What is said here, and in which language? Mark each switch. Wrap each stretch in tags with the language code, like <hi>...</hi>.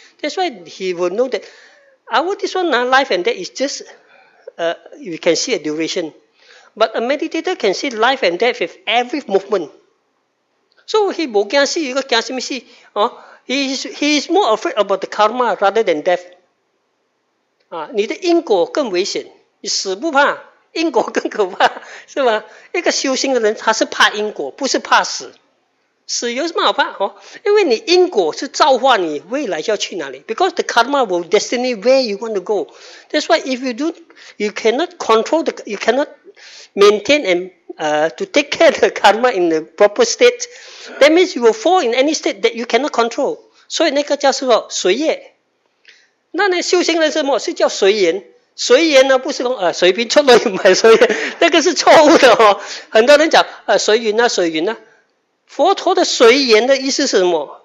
<en>That's why he will know that our this one, life and death is just, you can see a duration. But a meditator can see life and death with every movement. So he bogan see, you go can see me see. He is more afraid about the karma rather than death.</en> <zh>你的因果更危险, 你死不怕, 因果更可怕, 是吧? 一个修行的人, 他是怕因果, 不是怕死。死有什么好怕?因为你因果是造化你未来要去哪里?</zh> <en>Because the karma will destiny where you want to go. That's why if you do, you cannot control the, you cannot maintain and to take care of the karma in the proper state. That means you will fall in any state that you cannot control.</en> <zh>所以那个叫什么?随业。那你修行的是什么?是叫随缘。随缘呢,不是说随便出来买随缘, 那个是错误的。很多人讲,随缘啊,随缘啊。佛陀的随缘的意思是什么?</zh>